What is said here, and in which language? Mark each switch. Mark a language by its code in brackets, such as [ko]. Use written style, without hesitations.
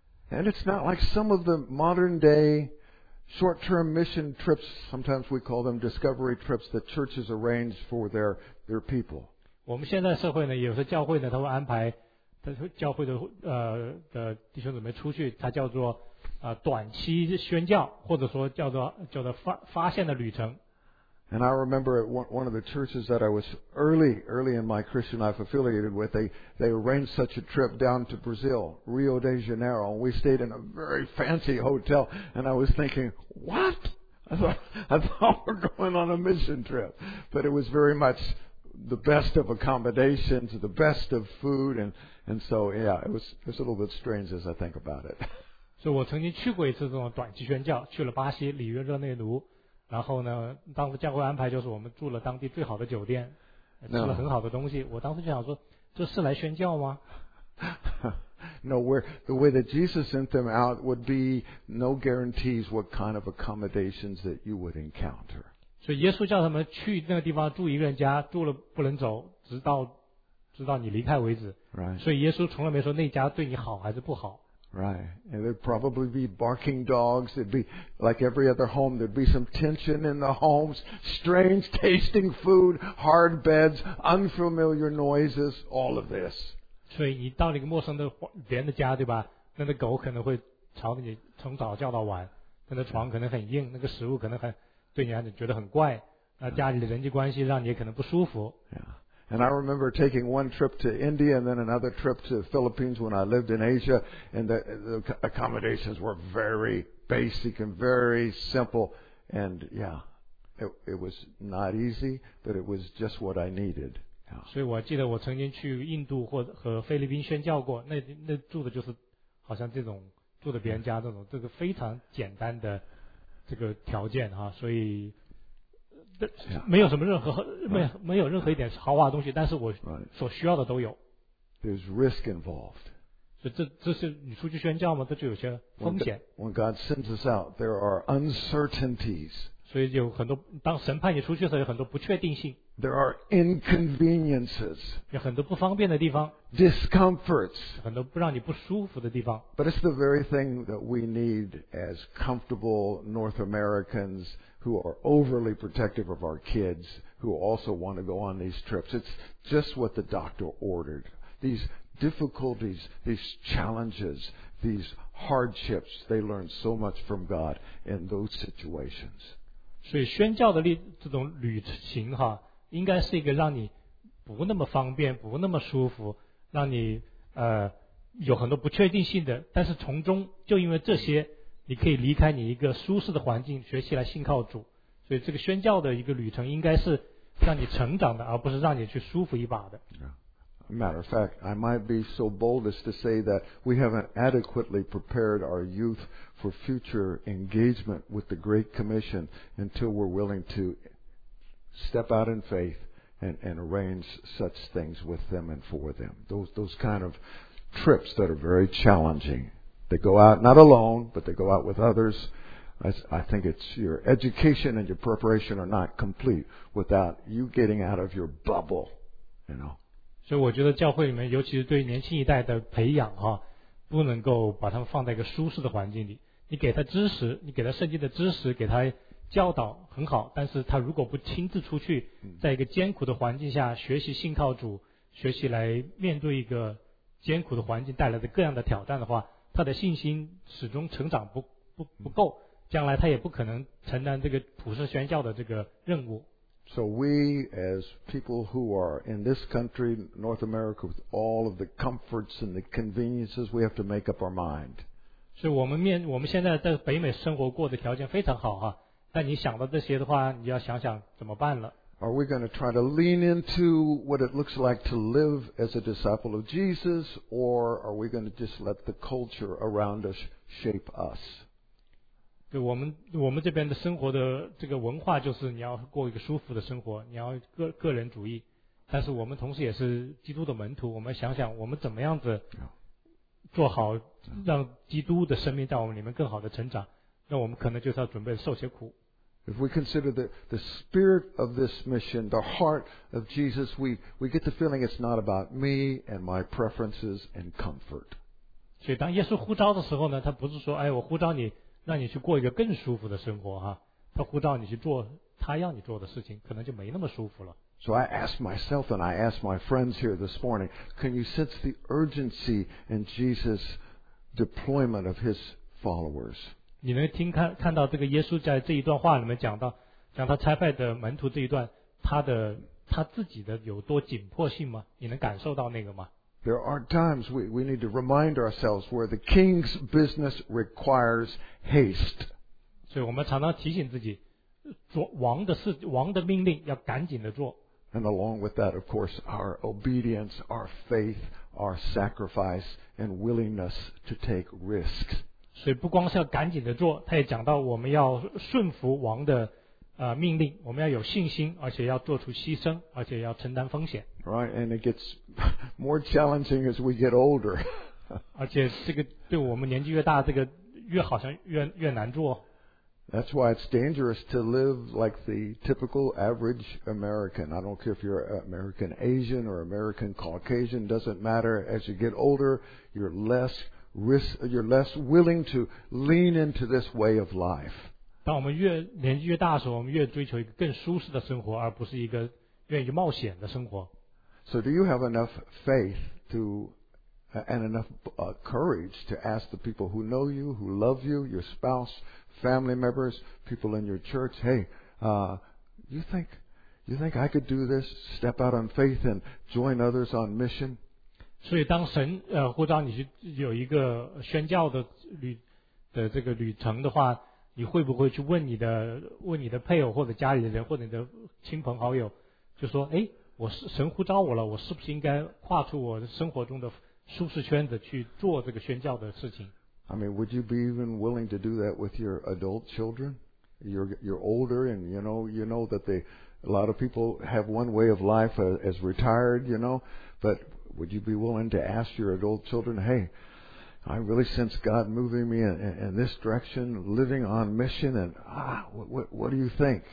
[en] And it's not like some of the modern day short-term mission trips, sometimes we call them discovery trips that churches arrange for their people. [zh] 我们现在社会呢，有时候教会呢，他会安排他教会的的弟兄姊妹出去，他叫做短期宣教，或者说叫做发现的旅程。 [en] And I remember at one of the churches that I was early in my Christian life affiliated with, they arranged such a trip down to Brazil, Rio de Janeiro, and we stayed in a very fancy hotel, and I was thinking, what? I thought we're going on a mission trip. But it was very much the best of accommodations, the best of food, and so, yeah, it was a little bit strange as I think about it. [zh] So 我曾经去过一次这种短期宣教，去了巴西里约热内卢。然后呢，当时教会安排就是我们住了当地最好的酒店，吃了很好的东西。 [en] No. [zh] 我当时就想说，这是来宣教吗 [en] ？No, where the way that Jesus sent them out would be no guarantees what kind of accommodations that you would encounter. [zh] 所以耶稣叫他们去那个地方住一个人家，住了不能走，直到你离开为止。 [en] Right. [zh] 所以耶稣从来没说那家对你好还是不好。 [en] Right. And there'd probably be barking dogs. There'd be, like every other home, there'd be some tension in the homes, strange tasting food, hard beds, unfamiliar noises, all of this. [zh] 所以你到了一个陌生的人的家，对吧？那个狗可能会朝你从早叫到晚，那个床可能很硬，那个食物可能很对你觉得很怪，那家里的人际关系让你也可能不舒服。 [en] Yeah. And I remember taking one trip to India and then another trip to the Philippines when I lived in Asia, and the accommodations were very basic and very simple. And yeah, it was not easy, but it was just what I needed. Yeah. [zh] 所以我记得我曾经去印度或和菲律宾宣教过，那住的就是好像这种住的别人家这个非常简单的这个条件哈，所以。没有什么任何 [en] right. [zh] 没有任何一点豪华的东西，但是我所需要的都有。 [en] There's risk involved. [zh] 这是你出去宣教吗？这就有些风险。 [en] When God sends us out, there are uncertainties. [zh] 所以有很多，当神派你出去的时候，有很多不确定性。 [en] There are inconveniences. [zh] 有很多不方便的地方。 [en] Discomforts. [zh] 很多不让你不舒服的地方。 [en] But it's the very thing that we need as comfortable North Americans. Who are overly protective of our kids who also want to go on these trips. It's just what the doctor ordered. These difficulties, these challenges, these hardships, they learn so much from God in those situations. [zh] 所以宣教的这种旅行哈，应该是一个让你不那么方便，不那么舒服，让你有很多不确定性的，但是从中就因为这些你可以离开你一个舒适的环境，学习来信靠主。所以这个宣教的一个旅程应该是让你成长的，而不是让你去舒服一把的。 [en] Yeah. Matter of fact, I might be so bold as to say that we haven't adequately prepared our youth for future engagement with the Great Commission until we're willing to step out in faith and arrange such things with them and for them. Those kind of trips that are very challenging. They go out not alone, but they go out with others. I think it's your education and your preparation are not complete without you getting out of your bubble, you know. [zh] 所以我觉得教会里面，尤其是对年轻一代的培养哈，不能够把他们放在一个舒适的环境里。你给他知识，你给他圣经的知识，给他教导很好，但是他如果不亲自出去，在一个艰苦的环境下学习信靠主，学习来面对一个艰苦的环境带来的各样的挑战的话。他的信心始终成长不够，将来他也不可能承担这个普世宣教的这个任务。 [en] So we as people who are in this country, North America, with all of the comforts and the conveniences, we have to make up our mind. [zh] 所以我们现在在北美生活过的条件非常好哈，但你想到这些的话，你要想想怎么办了。 [en] Are we going to try to lean into what it looks like to live as a disciple of Jesus, or are we going to just let the culture around us shape us? [zh] 对我们这边的生活的这个文化就是你要过一个舒服的生活，你要个人主义。但是我们同时也是基督的门徒，我们想想我们怎么样子做好，让基督的生命在我们里面更好的成长。那我们可能就是要准备受些苦。 [en] If we consider the spirit of this mission, the heart of Jesus, we get the feeling it's not about me and my preferences and comfort. [zh] 所以当耶稣呼召的时候呢，他不是说，哎，我呼召你，让你去过一个更舒服的生活哈。他他呼召你去做他要你做的事情，可能就没那么舒服了。 [en] So I asked myself and I asked my friends here this morning, can you sense the urgency in Jesus' deployment of his followers? [zh] 你能听看到这个耶稣在这一段话里面讲到，讲他差派的门徒这一段，他自己的有多紧迫性吗？你能感受到那个吗？ [en] There are times we need to remind ourselves where the king's business requires haste. [zh] 所以我们常常提醒自己，王的命令要赶紧的做。 [en] And along with that, of course, our obedience, our faith, our sacrifice, and willingness to take risks. [zh] 所以不光是要赶紧的做，他也讲到我们要顺服王的命令，我们要有信心，而且要做出牺牲，而且要承担风险。 [en] Right, and it gets more challenging as we get older. [zh] 而且这个对我们年纪越大，这个越好像越难做。 [en] That's why it's dangerous to live like the typical average American. I don't care if you're American Asian or American Caucasian, doesn't matter. As you get older, you're less willing to lean into this way of life. [zh] 当我们越年纪越大的时候，我们越追求一个更舒适的生活，而不是一个愿意冒险的生活。 [en] So do you have enough faith to and enough courage to ask the people who know you, who love you, your spouse, family members, people in your church, hey, you think I could do this? Step out on faith and join others on mission. [zh] 所以当神呼召你去有一个宣教的这个旅程的话，你会不会去问你的配偶或者家里的人或者你的亲朋好友，就说哎，我是神呼召我了，我是不是应该跨出我生活中的舒适圈子去做这个宣教的事情？ [en] I mean, would you be even willing to do that with your adult children? You're older and you know that a lot of people have one way of life as retired, you know, but would you be willing to ask your adult children, hey, I really sense God moving me in this direction, living on mission, and what do you think?